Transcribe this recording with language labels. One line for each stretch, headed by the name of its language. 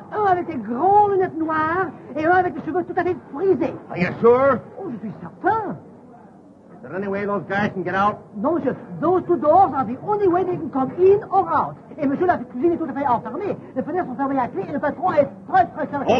French: Oh, avec des grands lunettes noires et avec des cheveux tout à fait frisés.
English: Are you sure?
French: Oh, je suis certain.
English: Is there any way those guys can get out? No, monsieur. Those two doors are the only way they can come in or out.
French: Et monsieur, la cuisine est tout à fait enfermée. Les fenêtres sont fermées à clé et le patron est très, très sérieux.